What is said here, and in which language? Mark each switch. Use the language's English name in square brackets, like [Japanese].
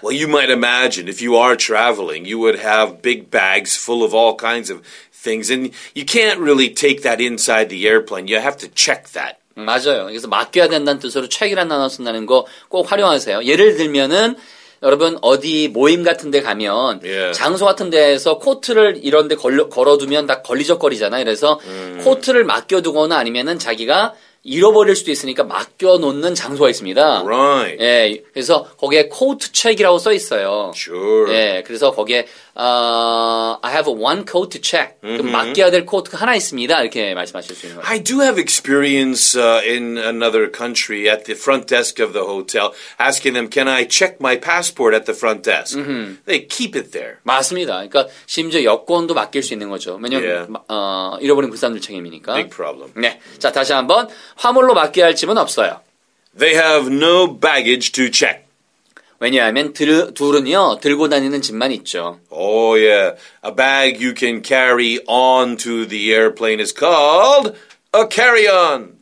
[English] Well, you might imagine if you are traveling, you would have big bags full of all kinds of things and you can't really take that inside the airplane. You have to check that. [Korean] 맞아요. 그래서 맡겨야 된다는 뜻으로 check이라는 단어 쓴다는 거 꼭 활용하세요. 예를 들면은 여러분 어디 모임 같은 데 가면 [English] yeah. [Korean] 장소 같은 데에서 코트를 이런 데 걸어두면 다 걸리적거리잖아요. 그래서 코트를 맡겨두거나 아니면은 자기가 잃어버릴 수도 있으니까 맡겨놓는 장소가 있습니다. [English] Right. [Korean] 예, 그래서 거기에 coat check이라고 써 있어요. [English] Sure. [Korean] 예, 그래서 거기에 [English] I have a one coat check. Mm-hmm. [Korean] 그럼 맡겨야 될 코트가 하나 있습니다. 이렇게 말씀하실 수 있는 거예요. [English] I do have experience in another country at the front desk of the hotel asking them, can I check my passport at the front desk? Mm-hmm. They keep it there. [Korean] 맞습니다. 그러니까 심지어 여권도 맡길 수 있는 거죠. 왜냐하면 [English] yeah. [Korean] 잃어버린 그 사람들 책임이니까. [English] Big problem. [Korean] 네, 자 다시 한번. 화물로 맡겨야 할 짐은 없어요. [English] They have no baggage to check. [Korean] 왜냐하면 둘은요 들고 다니는 짐만 있죠. [English] Oh yeah, a bag you can carry on to the airplane is called a carry-on.